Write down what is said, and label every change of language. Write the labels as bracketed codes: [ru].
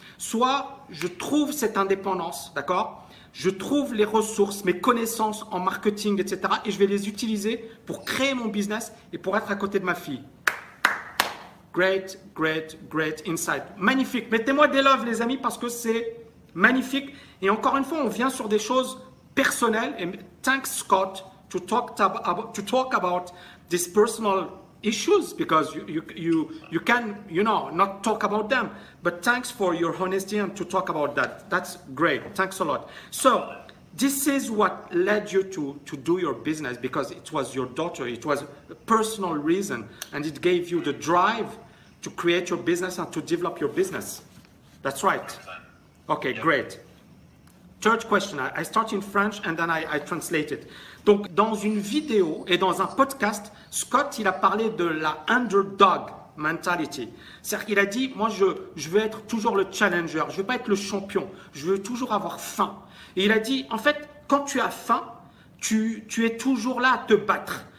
[fr] Soit je trouve cette indépendance, d'accord? Je trouve les ressources, mes connaissances en marketing, etc. Et je vais les utiliser pour créer mon business et pour être à côté de ma fille. [en] Great, great, great insight. [fr] Magnifique. Mettez-moi des love, les amis, parce que c'est magnifique. Et encore une fois, on vient sur des choses personnelles. [en] Et thanks, Scott, to talk about these personal issues, because you can, you know, not talk about them. But thanks for your honesty and to talk about that. That's great. Thanks a lot. So, this is what led you to do your business, because it was your daughter. It was a personal reason, and it gave you the drive to create your business and to develop your business. That's right. Okay, great. Third question. I start in French and then I translate it. [fr] Donc, dans une vidéo et dans un podcast, Scott, il a parlé de la underdog mentality. C'est-à-dire qu'il a dit, moi, je veux être toujours le challenger. Je veux pas être le champion. Je veux toujours avoir faim. Et il a dit, en fait, quand tu as faim, tu es toujours là à te battre.